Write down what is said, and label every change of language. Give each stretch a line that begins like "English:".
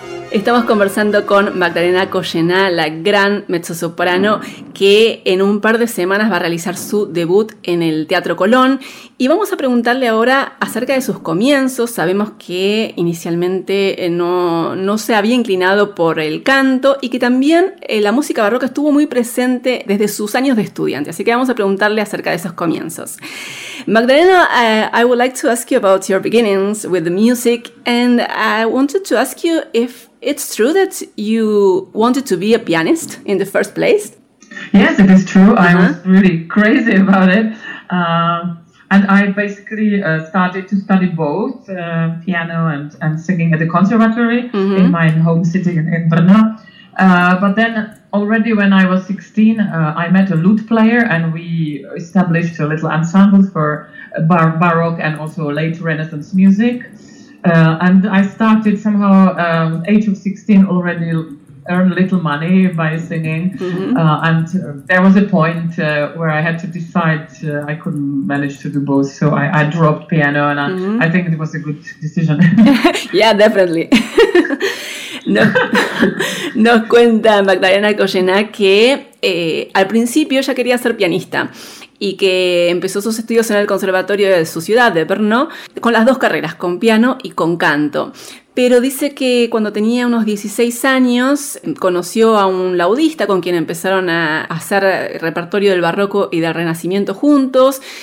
Spanish: Estamos conversando con Magdalena Collená, la gran mezzosoprano, que en un par de semanas va a realizar su debut en el Teatro Colón. Y vamos a preguntarle ahora acerca de sus comienzos. Sabemos que inicialmente no se había inclinado por el canto y que también la música barroca estuvo muy presente desde sus años de estudiante. Así que vamos a preguntarle acerca de esos comienzos.
English: Magdalena, I would like to ask you about your beginnings with the music, and I wanted to ask you if it's true that you wanted to be a pianist in the first place. Yes, it is true. Uh-huh. I was really crazy about it. And I basically started to study both piano and singing at the conservatory in my home city in Brno. But then already when I was 16, I met a lute player and we established a little ensemble for Baroque and also late Renaissance music. And I started somehow, age of 16, already earn little money by singing. And there was a point where I had to decide I couldn't manage to do both. So I dropped piano and I think it was a good decision. Yeah, definitely.
Spanish: Nos cuenta Magdalena Collena que al principio ella quería ser pianista y que empezó sus estudios en el conservatorio de su ciudad, de Brno, con las dos carreras, con piano y con canto. Pero dice que cuando tenía unos 16 años conoció a un laudista con quien empezaron a hacer repertorio del barroco y del renacimiento juntos.